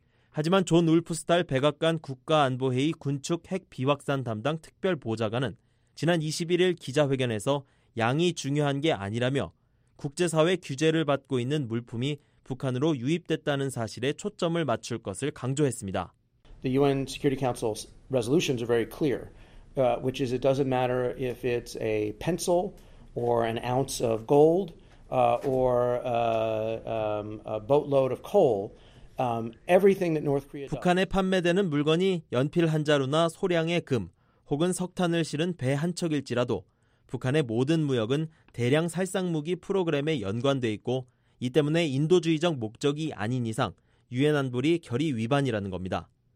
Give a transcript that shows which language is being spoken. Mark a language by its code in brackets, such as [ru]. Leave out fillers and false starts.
[ko] 하지만 존 울프스탈 백악관 국가안보회의 군축 핵 비확산 담당 특별보좌관은 지난 21일 기자회견에서 양이 중요한 게 아니라며 국제사회 규제를 받고 있는 물품이 북한으로 유입됐다는 사실에 초점을 맞출 것을 강조했습니다. [en] The UN Security Council's resolutions are very clear, which is it doesn't matter if it's a pencil or an ounce of gold a boatload of coal. Everything that North Korea [ko] 북한에 판매되는 물건이 연필 한 자루나 소량의 금 혹은 석탄을 실은 배 한 척일지라도 북한의 모든 무역은 대량 살상무기 프로그램에 연관돼 있고 이 때문에 인도주의적 목적이 아닌 이상 유엔 안보리 결의 위반이라는 겁니다.